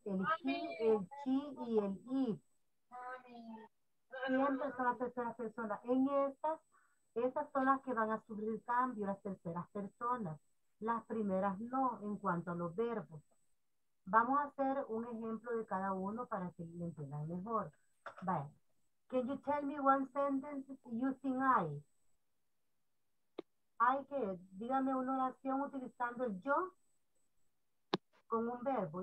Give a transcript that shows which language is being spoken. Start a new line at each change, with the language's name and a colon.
Spanish: El he y el it. Siempre son las terceras personas. En estas, esas son las que van a sufrir cambio, las terceras personas. Las primeras no, en cuanto a los verbos. Vamos a hacer un ejemplo de cada uno para que lo entiendan mejor. Vaya.
English: Can you tell me one sentence using I?
Spanish: I que, dígame una oración utilizando yo con un verbo.